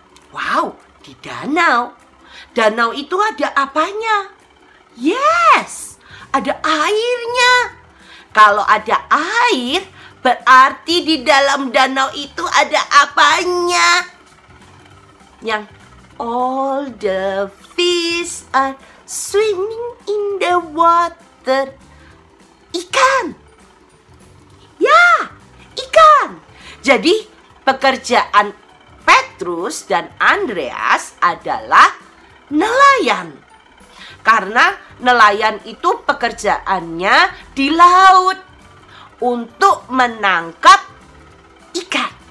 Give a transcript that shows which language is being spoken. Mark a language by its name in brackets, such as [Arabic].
[Indonesian] Wow, di danau. Danau itu ada apanya? Yes, ada airnya. Kalau ada air, berarti di dalam danau itu ada apanya? Yang [English] all the fish are swimming in the water. [Indonesian] Ikan. Ya, ikan. Jadi pekerjaan Petrus dan Andreas adalah nelayan. Karena nelayan itu pekerjaannya di laut untuk menangkap ikan.